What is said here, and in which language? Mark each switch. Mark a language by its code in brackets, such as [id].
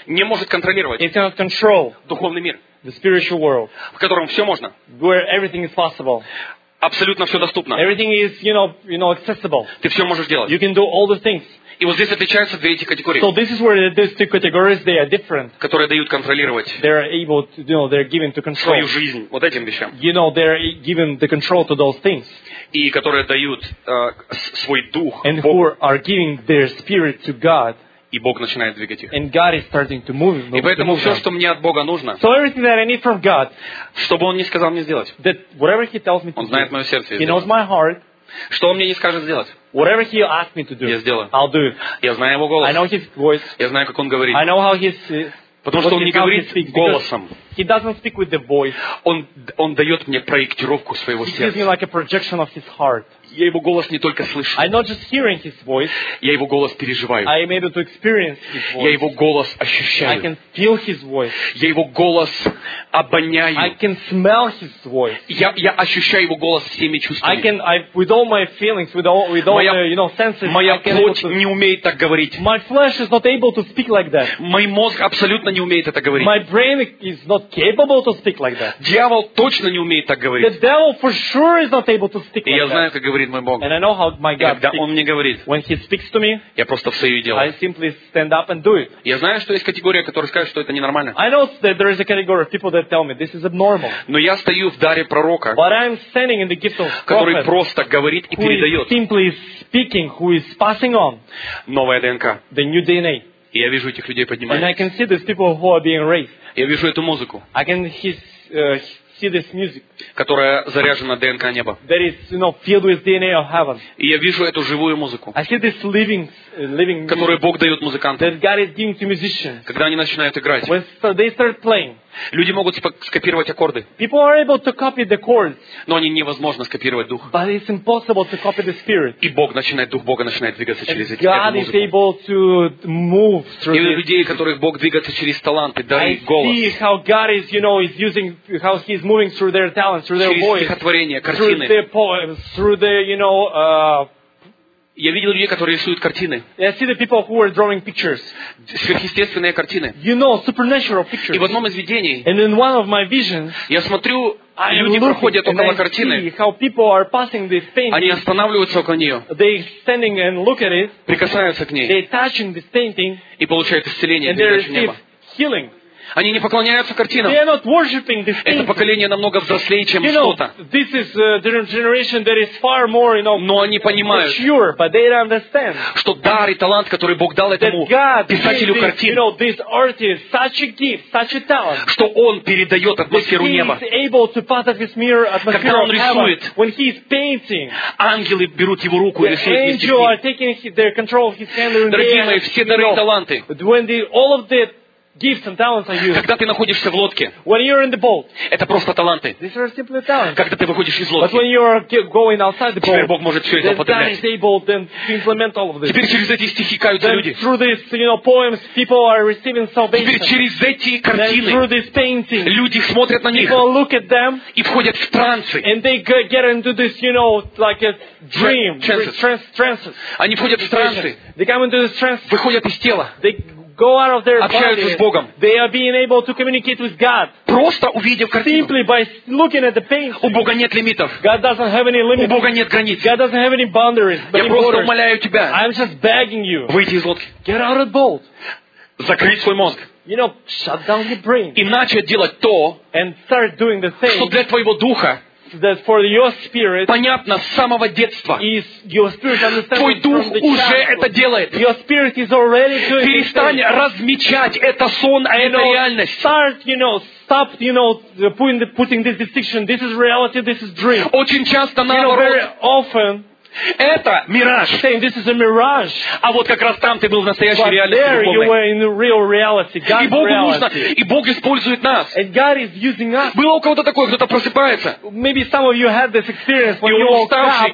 [ru] Не может контролировать. [en] It cannot control. [ru] Духовный мир. [en] The spiritual world. [ru] В котором все можно. [en] Where everything is possible. [ru] Абсолютно все доступно. [en] Everything is, you know, accessible. [ru] Ты все можешь делать. [en] You can do all the things. [ru] И вот здесь отличаются две эти категории. [en] So this is where these two categories, they are different. [ru] Которые дают контролировать. [en] They are able to, you know, they are given to control. [ru] Свою жизнь вот этим вещам. [en] You know, they are given the control to those things. [ru] И которые дают свой дух. [en] And Бог. Who are giving their spirit to God. [ru] И Бог начинает двигать их. [en] And God is starting to move. [ru] И поэтому все, что мне от Бога нужно. [en] So everything that I need from God. [ru] Чтобы Он не сказал мне сделать. [en] That whatever He tells me to [ru] do. Он знает мое сердце. [en] He knows my heart. [ru] Что Он мне не скажет сделать? [en] Whatever He asks me to do. [ru] Я сделаю. [en] I'll do. [ru] Я знаю Его голос. [en] I know His voice. [ru] Я знаю, как Он говорит. [en] I know how He's. [ru] Потому что Он не говорит голосом. [en] He doesn't speak with the voice. [ru] Он дает мне проектировку своего сердца. [en] He gives me like a projection of His heart. [ru] Я его голос не только слышу. [en] I'm not just hearing his voice. [ru] Я его голос переживаю. [en] I am able to experience his voice. [ru] Я его голос ощущаю. [en] I can feel his voice. [ru] Я его голос обоняю. [en] I can smell his voice. [ru] Я ощущаю его голос всеми чувствами. [en] I with all my feelings, with all my senses. [ru] Моя плоть не умеет так говорить. [en] My flesh is not able to speak like that. [ru] Мой мозг абсолютно не умеет это говорить. [en] My brain is not capable to speak like that. [ru] Дьявол точно не умеет так говорить. [en] The devil for sure is not able to speak like [ru] that. Я знаю, как говорит мой Бог. [en] And I know how my God [ru] когда [en] speaks, [ru] Он мне говорит, [en] when he speaks to me, [ru] я просто встаю и делаю. [en] I simply stand up and do it. [ru] Я знаю, что есть категория, которая скажет, что это ненормально. [en] I know that there is a category of people that tell me this is abnormal. [ru] Но я стою в даре пророка, [en] but I'm standing in the gift of prophet, [ru] который просто говорит и [en] who [ru] передает. [en] Is simply speaking, who is passing on. [ru] Новая ДНК. [en] The new DNA. [ru] И я вижу этих людей поднимаются. [en] And I can see these people who are being raised. [ru] Я вижу эту музыку. [en] I can see this music, [ru] которая заряжена ДНК неба. [en] That is, you know, filled with DNA of heaven. [ru] И я вижу эту живую музыку. [en] I see this living music, [ru] которую Бог дает музыкантам. [en] That God is giving to musicians. [ru] Когда они начинают играть. [en] When they start playing. [ru] Люди могут скопировать аккорды. [en] People are able to copy the chords. [ru] Но они невозможно скопировать дух. [en] But it's impossible to copy the spirit. [ru] И Бог начинает, дух Бога начинает двигаться через эту музыку. [en] God is able to move through. [ru] И у людей, которых Бог двигается через таланты, дары, голос. [en] I see how God is, you know, is using, how He's moving through their talents, through their voice. [ru] Через стихотворение, картины. [en] Through their poems, through the, you know. [ru] Я видел людей, которые рисуют картины. [en] I see the people who are drawing pictures. [ru] Сверхъестественные картины. [en] You know, supernatural pictures. [ru] И в одном из видений. [en] And in one of my visions. [ru] Я смотрю, люди проходят около картины. [en] And I see how people are passing this painting. [ru] Они останавливаются около нее. [en] They standing and look at it. [ru] Прикасаются к ней. [en] They touching this painting. [ru] И получают исцеление. [en] And they receive healing. [ru] Они не поклоняются картинам. [en] They are not worshiping this painting. [ru] Это поколение намного взрослее, чем [en] you know, [ru] что-то. [en] This is the generation that is far more, you know. [ru] Но они понимают, [en] mature, but they understand, [ru] что дар и талант, который Бог дал этому писателю картин, [en] you know, this artist, such a gift, such a talent, [ru] что он передает атмосферу неба. [en] He is able to pass this mirror atmosphere. [ru] Когда он рисует, [en] when he is painting, [ru] ангелы берут его руку и рисуют. [en] Angels are taking their control of his hand. [ru] Дорогие мои, все дары и таланты. [en] When the, all of the gifts and talents are used. [ru] Когда ты находишься в лодке, [en] when you're in the boat, [ru] это просто таланты. [en] These are simply talents. [ru] Когда ты выходишь из лодки, [en] but when you're going outside the boat, [ru] теперь Бог может все это подымать. Теперь через эти стихи каются люди. [en] Through this, you know, poems, people are receiving salvation. [ru] Теперь через эти картины, [en] then through this painting, [ru] люди смотрят на них, [en] people look at them, [ru] и входят в трансы. [en] And they get into this, you know, like a dream, trances. [ru] Они входят в трансы. [en] They come into this trance. [ru] Выходят из тела. [en] They go out of their [ru] общаются [en] body. [ru] С Богом. [en] They are being able to communicate with God. [ru] Просто увидев картину. [en] Simply by looking at the painting. [ru] У Бога нет лимитов. [en] God doesn't have any limits. [ru] У Бога нет границ. [en] God doesn't have any boundaries. [ru] Я просто умоляю тебя. [en] I'm just begging you. [ru] Выйти из лодки. [en] Get out of the boat. [ru] Закрыть свой мозг. [en] You know, shut down your brain. [ru] И начать делать то, [en] and start doing the thing, [ru] что для твоего духа. [en] That for your spirit, [ru] понятно с самого детства. [en] Is your spirit understanding? [ru] Твой дух уже это делает. [en] Your spirit is already doing. [ru] Перестань размечать это сон, а это реальность. [en] Start, you know, stop, you know, putting this distinction. This is reality. This is dream. [ru] Очень часто наоборот. [en] You know, very often, [ru] это мираж. [en] Saying this is a mirage. [ru] А вот как раз там ты был в настоящей реальности. [en] But there you were in real reality, God's [ru] и Богу [en] reality. [ru] Нужно, и Бог использует нас. [en] And God is using us. [ru] Было у кого-то такое, кто-то просыпается. [en] Maybe some of you had this experience when you woke up.